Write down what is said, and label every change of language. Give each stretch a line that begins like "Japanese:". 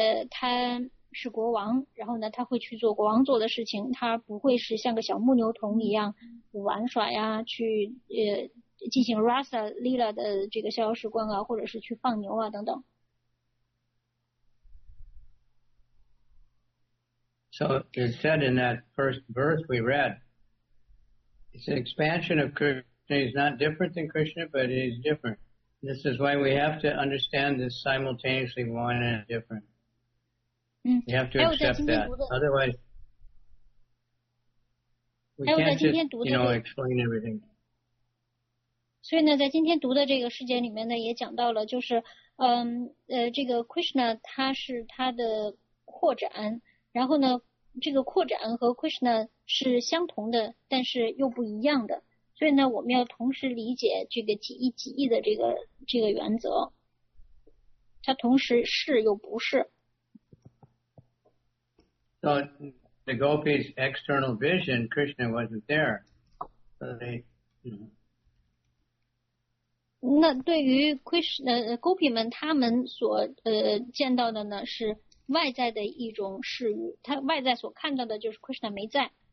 Chinese: 他是国王，然后呢他会去做国王做的事情，他不会是像个小牧牛童一样玩耍呀，去进行 Rasa Lila 的这个逍遥时光啊，或者是去放牛啊等等。
English: So it said in that first verse we read, it's an expansion of Krishna. He's not different than Krishna, but he's different. This is why we have to understand this simultaneously, one and different. We have to accept that. Otherwise, we can't just, you know, explain everything.
Chinese: 所以呢，在今天读的这个世界里面呢，也讲到了，就是这个 Krishna 他是他的扩展，然后呢，这个扩展和 Krishna 是相同的，但是又不一样的。所以呢，我们要同时理解这个几义几义的这个原则，它同时是又不是。
English: So the gopis' external vision, Krishna wasn't there, but they.
Chinese: 那对于 Krishna gopi 们，他们所见到的呢是外在的一种事物，他外在所看到的就是 Krishna 没在。